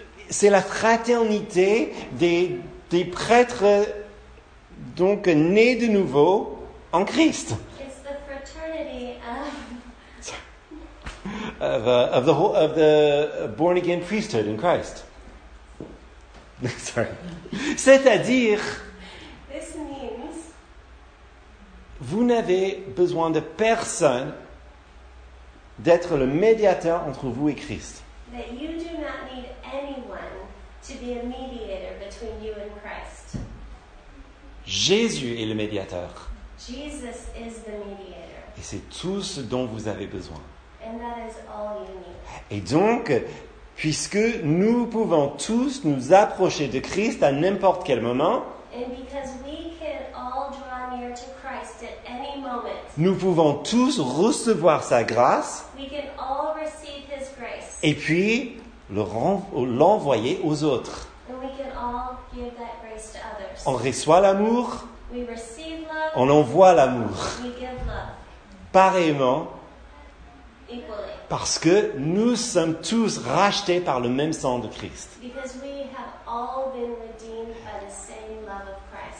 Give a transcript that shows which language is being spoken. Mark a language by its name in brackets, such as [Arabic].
[French] C'est la fraternité des prêtres donc nés de nouveau en Christ. [English] It's the fraternity of the born again priesthood in Christ. Sorry. [French] C'est-à-dire, [English] this means [French] vous n'avez besoin de personne d'être le médiateur entre vous et Christ. [English] That you do not need anyone to be a mediator between you and Christ. [French] Jésus est le médiateur. [English] Jesus is the mediator. [French] Et c'est tout ce dont vous avez besoin. [English] And that is all you need. [French] Et donc, puisque nous pouvons tous nous approcher de Christ à n'importe quel moment, [English] and because we can all draw near to Christ at any moment, [French] nous pouvons tous recevoir sa grâce. [English] We can all receive his grace. [French] Et puis l'envoyer aux autres. [English] And we can all give that grace to others. [French] On reçoit l'amour. [English] We receive love. [French] On envoie l'amour. [English] We give love. [French] Pareillement. [English] Equally. [French] Parce que nous sommes tous rachetés par le même sang de Christ. [English] Because we have all been redeemed by the same love of Christ.